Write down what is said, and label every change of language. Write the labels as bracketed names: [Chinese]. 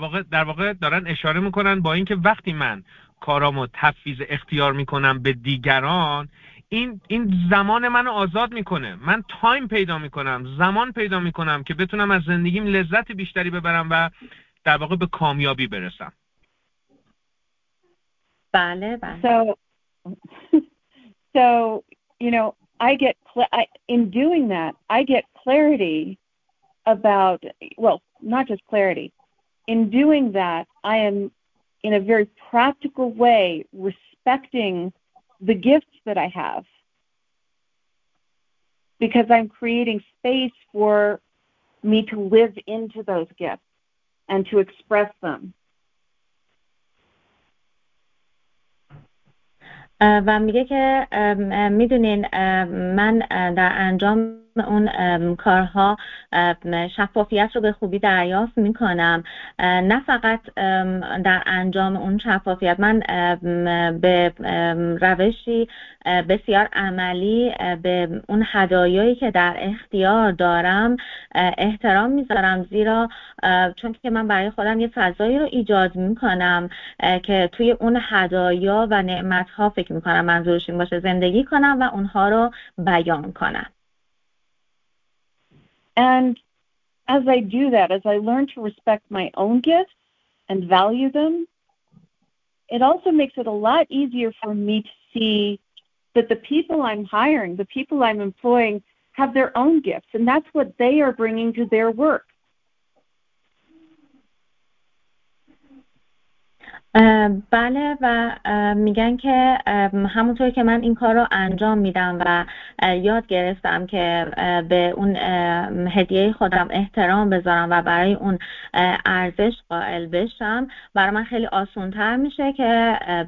[Persian] در واقع دارن اشاره میکنن با اینکه وقتی من کارامو تفویض اختیار میکنم به دیگران، این زمان منو آزاد میکنه، من تایم پیدا میکنم، زمان پیدا میکنم که بتونم از زندگیم لذت بیشتری ببرم و در واقع به کامیابی برسم. بله بله. [English] So you know, I get in doing that, I get clarity about, well, not just clarity. In doing that, I am in a very practical way respecting the gifts that I have, because I'm creating space for me to live into those gifts and to express them. [Persian] و میگه که میدونین من در انجام اون کارها شفافیت رو به خوبی دریافت میکنم، نه فقط در انجام اون شفافیت، من به روشی بسیار عملی به اون هدایایی که در اختیار دارم احترام میذارم، زیرا چون که من برای خودم یه فضایی رو ایجاد میکنم که توی اون هدایا و نعمتها فکر میکنم منظورش این باشه زندگی کنم و اونها رو بیان کنم. [English] And as I do that, as I learn to respect my own gifts and value them, it also makes it a lot easier for me to see that the people I'm hiring, the people I'm employing, have their own gifts, and that's what they are bringing to their work. [Persian] بله، و میگن که همونطور که من این کار رو انجام میدم و یاد گرفتم که به اون هدیه خودم احترام بذارم و برای اون ارزش قائل بشم، برای من خیلی آسان‌تر میشه که